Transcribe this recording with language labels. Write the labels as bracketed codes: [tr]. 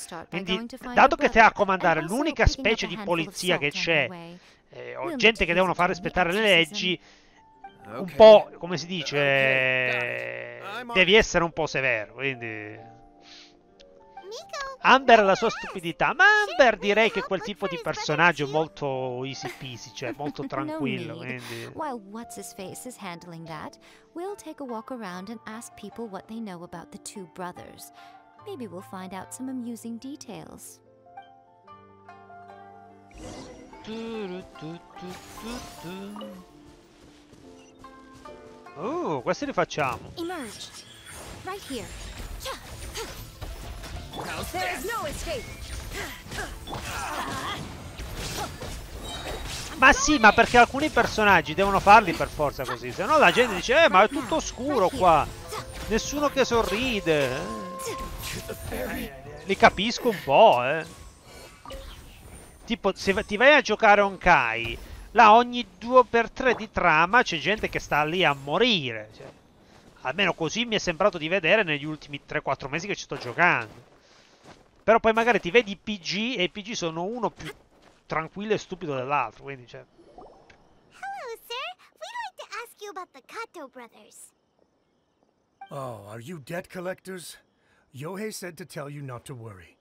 [it] Quindi, dato che te ha a comandare l'unica specie di polizia che c'è, o gente che devono far rispettare le leggi, un po', come si dice, devi essere un po' severo, quindi. Amber e la sua stupidità. Ma Amber direi che quel tipo di personaggio è molto easy peasy, cioè molto tranquillo. [en] While what's his face is handling that, we'll take a walk around and ask people what they know about the two brothers. Maybe we'll find out some amusing details. [it] Oh, questi li facciamo. Emerge. [en] Right here. There is no escape. [it] Ma sì, ma perché alcuni personaggi devono farli per forza così? Sennò la gente dice, ma è tutto scuro qua. Nessuno che sorride. Li capisco un po', Tipo, se ti vai a giocare Honkai, là ogni 2x3 di trama c'è gente che sta lì a morire. Cioè, almeno così mi è sembrato di vedere negli ultimi 3-4 mesi che ci sto giocando. Però poi magari ti vedi PG e i PG sono uno più tranquillo e stupido dell'altro, quindi c'è. [en] Hello, sir. We'd like to ask you about the Kato brothers. Oh, are you debt collectors? Yohei said to tell you not to worry.